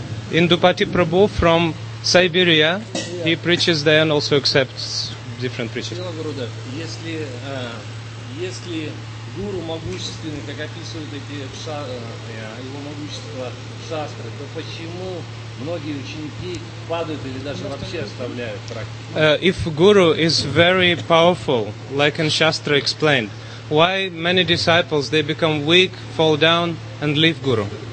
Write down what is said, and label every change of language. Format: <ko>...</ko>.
<en>Индупати Прабху from Siberia, he preaches there and also accepts different preaching.</en> <ru>Если гуру могущественный, как описывают эти его могущество шастры, то почему многие ученики падают или даже вообще оставляют практику?</ru> <en>If guru is very powerful, like in Shastra explained, why many disciples they become weak, fall down and leave guru?</en>